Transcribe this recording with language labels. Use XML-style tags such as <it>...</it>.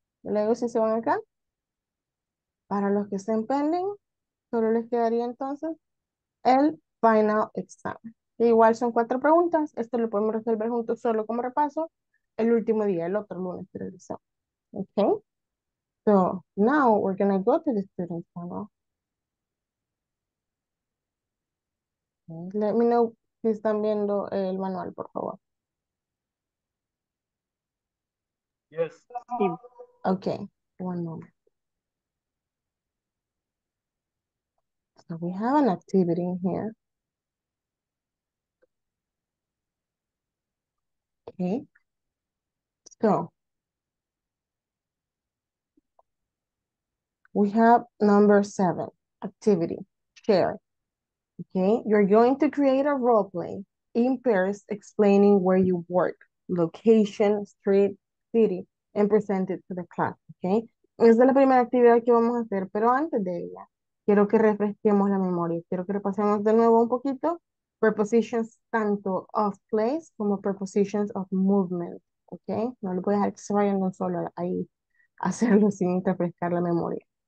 <es>Luego si se van acá, para los que estén pending, solo les quedaría entonces el final exam. Igual son 4 preguntas, esto lo podemos resolver juntos solo como repaso el último día, el otro lunes del examen. Okay?</es> <en>So, now we're gonna go to the student panel. Okay, let me know.</en> <es>Si están viendo el manual, por favor.</es> <en>Yes.</en> <es>Sí.</es> <en>Okay, one moment. So we have an activity in here. Okay. So we have number 7, activity, share. Okay, you're going to create a role play in pairs explaining where you work, location, street, city, and present it to the class.</en> <es>Okay, esa es la primera actividad que vamos a hacer, pero antes de ella, quiero que refresquemos la memoria. Quiero que repasemos de nuevo un poquito prepositions tanto of place como prepositions of movement. Okay, no lo voy a dejar que se vayan no solo ahí a hacerlo sin refrescar la memoria.</es>